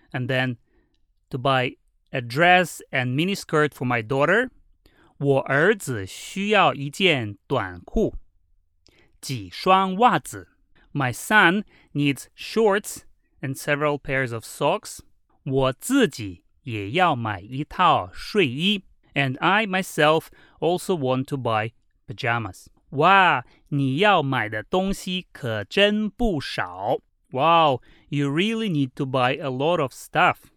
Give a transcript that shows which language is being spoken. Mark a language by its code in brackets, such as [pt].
[en] And then to buy a dress and miniskirt for my daughter. [zh] 我儿子需要一件短裤。几双袜子。 [en] My son needs shorts and several pairs of socks. [zh] 我自己也要买一套睡衣。 [en] And I myself also want to buy pajamas. [zh] 哇，你要买的东西可真不少。 [en] Wow, you really need to buy a lot of stuff.